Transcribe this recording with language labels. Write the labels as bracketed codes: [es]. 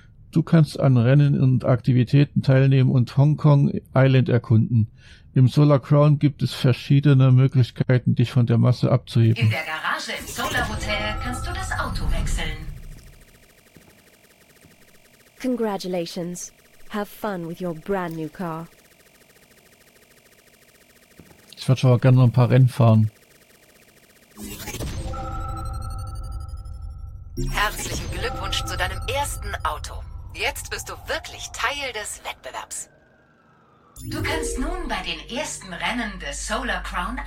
[de] Du kannst an Rennen und Aktivitäten teilnehmen und Hong Kong Island erkunden. Im Solar Crown gibt es verschiedene Möglichkeiten, dich von der Masse abzuheben. In der Garage im Solar Hotel kannst du das Auto wechseln. [en] Congratulations. Have fun with your brand new car. [de] Ich würde schon mal gerne noch ein paar Rennen fahren. Herzlichen Glückwunsch zu deinem ersten Auto. Jetzt bist du wirklich Teil des Wettbewerbs. Du kannst nun bei den ersten Rennen des Solar Crown...